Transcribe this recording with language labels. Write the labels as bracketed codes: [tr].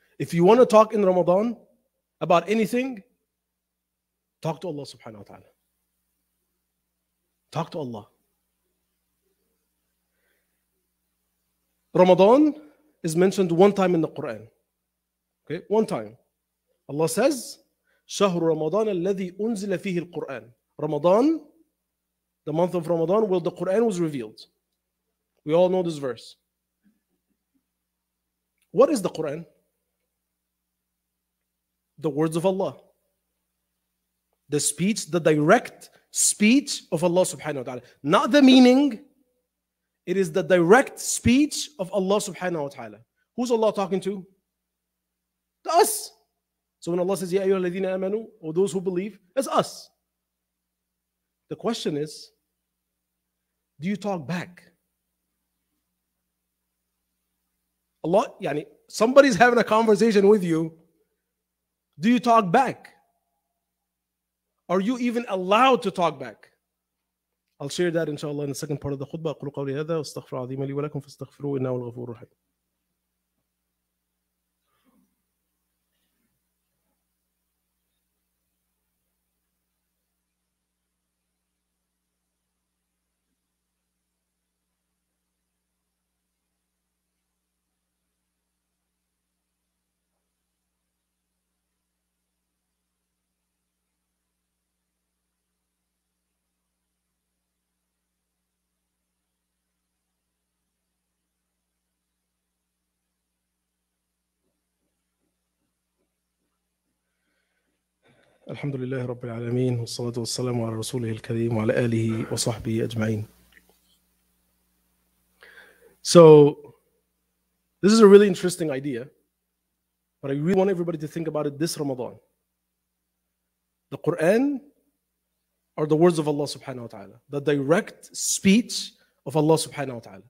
[en] If you want to talk in Ramadan about anything, talk to Allah subhanahu wa ta'ala. Talk to Allah. Ramadan is mentioned one time in the Quran. Okay, one time. Allah says, [ar] شهر رمضان الذي أنزل فيه القرآن. [en] Ramadan, the month of Ramadan, where the Quran was revealed. We all know this verse. What is the Quran? The words of Allah. The speech, the direct speech of Allah subhanahu wa ta'ala. Not the meaning. It is the direct speech of Allah subhanahu wa ta'ala. Who's Allah talking to? To us. So when Allah says, Ya ayyuha alladhina amanu, or those who believe, it's us. The question is, do you talk back? Allah, yani, somebody's having a conversation with you. Do you talk back? Are you even allowed to talk back? I'll share that inshallah in the second part of the khutbah. [ar] أقول قولي هذا واستغفر عظيم لي ولكم فاستغفروه إنه الغفور الرحيم. الحمد لله رب العالمين والصلاة والسلام على رسوله الكريم وعلى آله وصحبه أجمعين. [en] So this is a really interesting idea, but I really want everybody to think about it this Ramadan. The Quran are the words of Allah subhanahu wa ta'ala, the direct speech of Allah subhanahu wa ta'ala.